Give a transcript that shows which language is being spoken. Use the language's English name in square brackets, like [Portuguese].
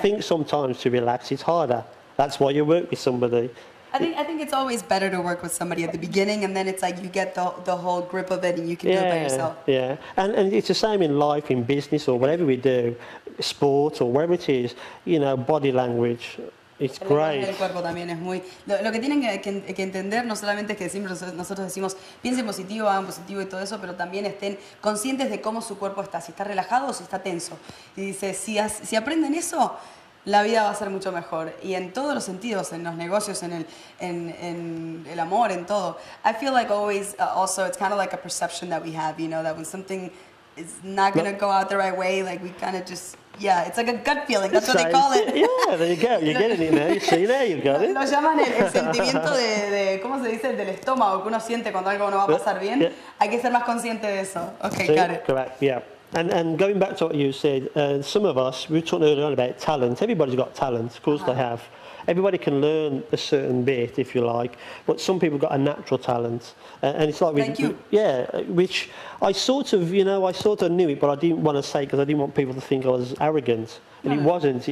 [English] think sometimes to relax, it's harder. That's why you work with somebody. I think it's always better to work with somebody at the beginning, and then it's like you get the whole grip of it and you can do it by yourself. Yeah, and it's the same in life, in business, or whatever we do, sport or whatever it is, you know, body language. It's great. [Spanish] El cuerpo también es muy, lo que tienen que entender no solamente es que siempre nosotros decimos piensen positivo, hagan positivo y todo eso, pero también estén conscientes de cómo su cuerpo está, si está relajado o si está tenso. Y dice, si aprenden eso, la vida va a ser mucho mejor. Y en todos los sentidos, en los negocios, en el amor, en todo. [English] I feel like always also it's kind of like a perception that we have, you know, that when something is not going to go out the right way, like we kind of just... Yeah, it's like a gut feeling, that's what they call it. Yeah, there you go, you're getting it now, you see, there you've got it. [Spanish] Lo llaman el sentimiento de, ¿cómo se dice? Del estómago, que uno siente cuando algo no va a pasar bien. Yeah. Hay que ser más consciente de eso. Okay, [English] see? Got it. Correct, yeah. And going back to what you said, some of us, we were talking earlier on about talent. Everybody's got talent, of course they have. Everybody can learn a certain bit, if you like, but some people got a natural talent, and it's like... Which I sort of, you know, I sort of knew it, but I didn't want to say because I didn't want people to think I was arrogant, and it wasn't.